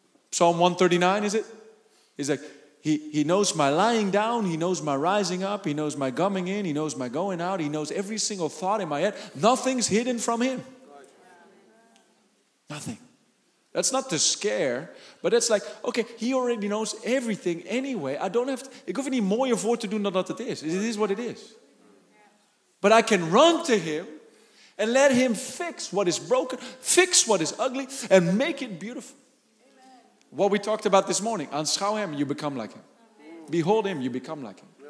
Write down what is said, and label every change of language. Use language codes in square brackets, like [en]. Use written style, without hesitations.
[en] Psalm 139, is it? He's like, he knows my lying down. He knows my rising up. He knows my coming in. He knows my going out. He knows every single thought in my head. Nothing's hidden from him. Nothing. That's not to scare, but it's like, okay, he already knows everything anyway. I don't have to, [nl] ik hoef niet mooier voor te doen dan dat het is. [en] It is what it is. But I can run to him and let him fix what is broken, fix what is ugly, and make it beautiful. Amen. What we talked about this morning, [nl] aanschouw hem, [en] you become like him. Amen. Behold him, you become like him.